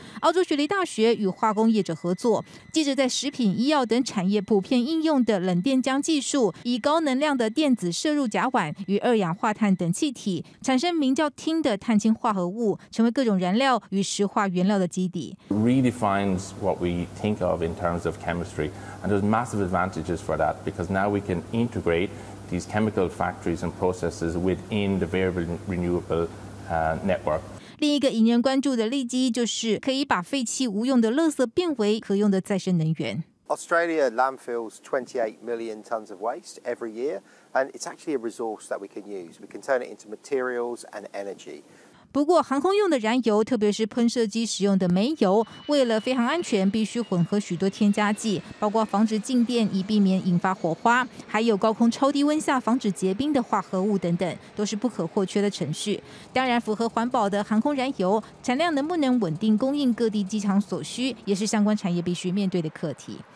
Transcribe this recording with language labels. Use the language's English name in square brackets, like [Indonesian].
[Chinese] 澳洲雪梨大学与化工业者合作，记者在食品、医药等产业普遍应用的冷电浆技术，以高能量的电子摄入甲烷与二氧化碳等气体，产生名叫氢的碳氢化合物，成为各种燃料与石化原料的基底。 [English] Redefines what we think of in terms of chemistry, and there's massive advantages for that because now we can integrate these chemical factories and processes within the variable renewable network. [Chinese] 另一个引人关注的利基，就是可以把废弃无用的垃圾变为可用的再生能源。 [English] Australia landfills 28 million tons of waste every year, and it's actually a resource that we can use. We can turn it into materials and energy. [Chinese] 不过航空用的燃油，特别是喷射机使用的煤油，为了飞行安全必须混合许多添加剂，包括防止静电以避免引发火花，还有高空超低温下防止结冰的化合物等等，都是不可或缺的程序。当然符合环保的航空燃油产量能不能稳定供应各地机场所需，也是相关产业必须面对的课题。